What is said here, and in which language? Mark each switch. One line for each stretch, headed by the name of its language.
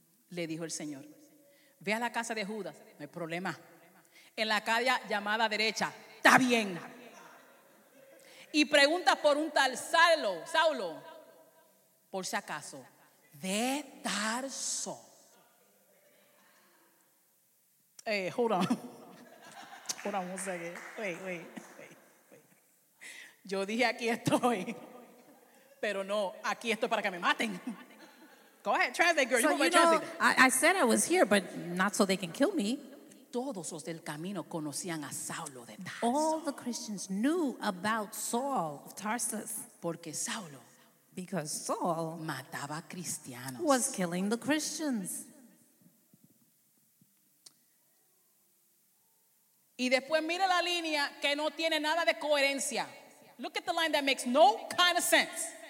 Spanish: Le dijo el Señor, ve a la casa de Judas, no hay problema, en la calle llamada derecha, está bien, y pregunta por un tal Saulo, por si acaso, de Tarso.
English: Hey, hold on one second, wait,
Spanish: yo dije aquí estoy, pero no, aquí estoy para que me maten.
English: Go ahead, translate, girl. So, you know, I said I was here, but not so they can kill me.
Spanish: Todos los del camino conocían a Saulo de Tarso.
English: All the Christians knew about Saul of Tarsus.
Spanish: Porque Saulo,
English: because Saul
Spanish: mataba cristianos.
English: Was killing the Christians.
Spanish: Y después mire la línea que no tiene nada de coherencia.
English: Look at the line that makes no kind of sense.